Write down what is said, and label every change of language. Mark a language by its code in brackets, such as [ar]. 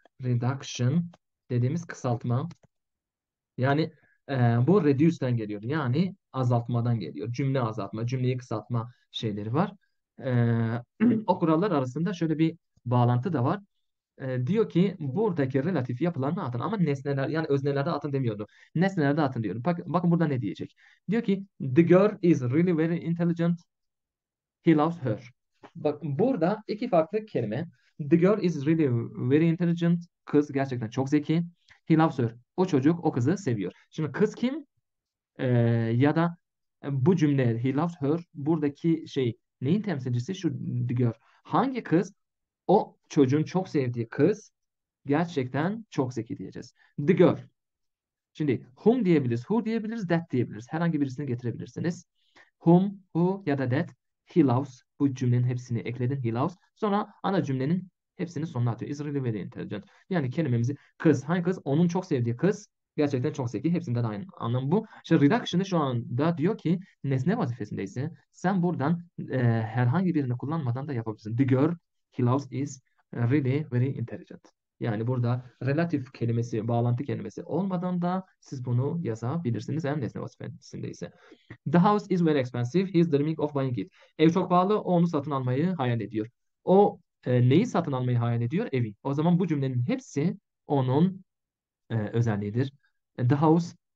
[tr] Reduction dediğimiz kısaltma. Yani bu reduce'den geliyor. Yani azaltmadan geliyor. Cümle azaltma, cümleyi kısaltma şeyleri var. O kurallar arasında şöyle bir bağlantı da var. Diyor ki buradaki relatif yapılarını atın ama nesneler, yani öznelerde atın demiyordu. Nesnelerde atın diyorum. Bakın burada ne diyecek? Diyor ki [en] the girl is really very intelligent. He loves her. [tr] Bak burada iki farklı kelime. [en] The girl is really very intelligent. [tr] Kız gerçekten çok zeki. [en] He loves her. [tr] O çocuk o kızı seviyor. Şimdi kız kim? Ya da bu cümle [en] he loves her. [tr] Buradaki şey neyin temsilcisi? Şu the girl. Hangi kız? O çocuğun çok sevdiği kız. Gerçekten çok zeki diyeceğiz. [en] The girl. [tr] Şimdi whom diyebiliriz. Who diyebiliriz. That diyebiliriz. Herhangi birisini getirebilirsiniz. Whom, who ya da that. [en] He loves. [tr] Bu cümlenin hepsini ekledin. He loves. Sonra ana cümlenin hepsini sonuna atıyor. [en] Is really very intelligent. [tr] Yani kelimemizi kız. Hangi kız? Onun çok sevdiği kız. Gerçekten çok zeki. Hepsinde de aynı anlam bu. İşte reduction'ı şu anda diyor ki nesne vazifesindeyse sen buradan herhangi birini kullanmadan da yapabilirsin. [en] The girl he loves is really very intelligent. [tr] Yani burada relatif kelimesi, bağlantı kelimesi olmadan da siz bunu yazabilirsiniz. Eğer nesne vazifesindeyse. [en] The house is very expensive. He is dreaming of buying it. [tr] Ev çok pahalı. O onu satın almayı hayal ediyor. O neyi satın almayı hayal ediyor? Evi. O zaman bu cümlenin hepsi onun özelliğidir. The house